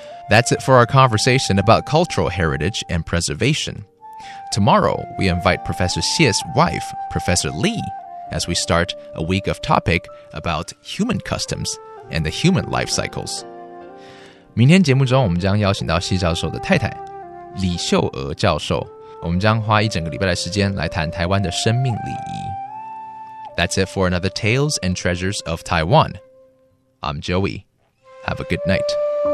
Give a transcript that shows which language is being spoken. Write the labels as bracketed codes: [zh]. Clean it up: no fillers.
[en] That's it for our conversation about cultural heritage and preservation. Tomorrow, we invite Professor Xie's wife, Professor Li, as we start a week of topic about human customs and the human life cycles. [zh] 明天节目中，我们将邀请到西教授的太太李秀娥教授。我们将花一整个礼拜的时间来谈台湾的生命礼仪。 [en] That's it for another Tales and Treasures of Taiwan.I'm Joey. Have a good night.